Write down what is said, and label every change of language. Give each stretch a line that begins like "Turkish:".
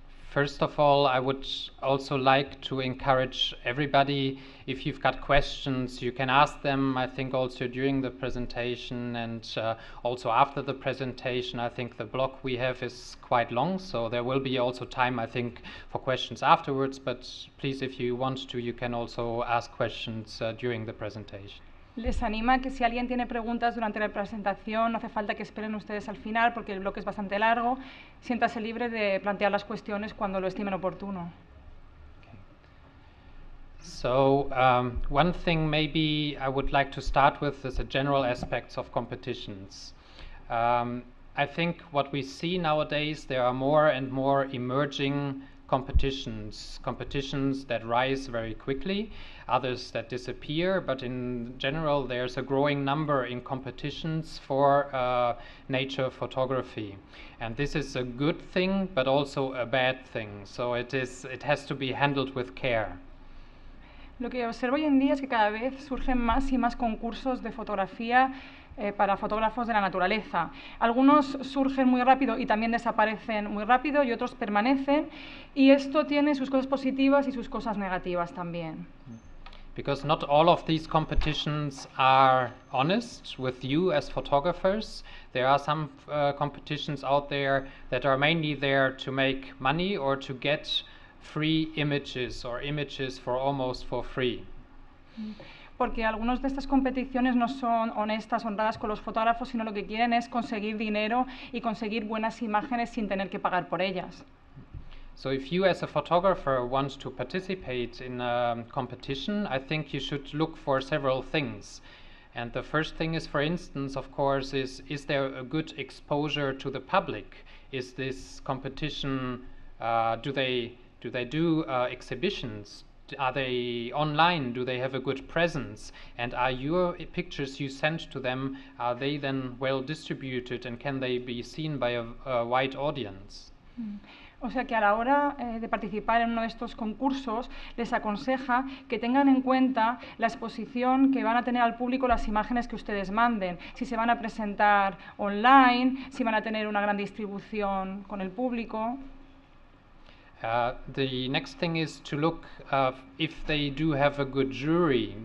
English: First of all, I would also like to encourage everybody, if you've got questions, you can ask them, I think also during the presentation and also after the presentation. I think the block we have is quite long, so there will be also time, I think, for questions afterwards, but please, if you want to, you can also ask questions during the presentation.
Spanish: Les anima que si alguien tiene preguntas durante la presentación, no hace falta que esperen ustedes al final porque el bloque es bastante largo, siéntase libre de plantear las cuestiones cuando lo estimen oportuno.
English: So one thing maybe I would like to start with is the general aspects of competitions. I think what we see nowadays, there are more and more emerging competitions that rise very quickly, others that disappear, but in general there's a growing number in competitions for nature photography. And this is a good thing, but also a bad thing, so it has to be handled with care.
Spanish: Lo que observo hoy en día es que cada vez surgen más y más concursos de fotografía para fotógrafos de la naturaleza. Algunos surgen muy rápido y también desaparecen muy rápido y otros permanecen, y esto tiene sus cosas positivas y sus cosas negativas también.
English: Because not all of these competitions are honest with you as photographers. There are some competitions out there that are mainly there to make money or to get free images or images for almost for free.
Spanish: Porque algunas de estas competiciones no son honestas, honradas con los fotógrafos, sino lo que quieren es conseguir dinero y conseguir buenas imágenes sin tener que pagar por ellas.
English: So if you as a photographer want to participate in a competition, I think you should look for several things. And the first thing is, for instance, of course, is there a good exposure to the public? Is this competition, do they do exhibitions? Are they online? Do they have a good presence? And are your pictures you send to them, are they then well distributed and can they be seen by a wide audience?
Spanish: O sea que a la hora de participar en uno de estos concursos, les aconseja que tengan en cuenta la exposición que van a tener al público las imágenes que ustedes manden. Si se van a presentar online, si van a tener una gran distribución con el público.
English: The next thing is to look if they do have a good jury.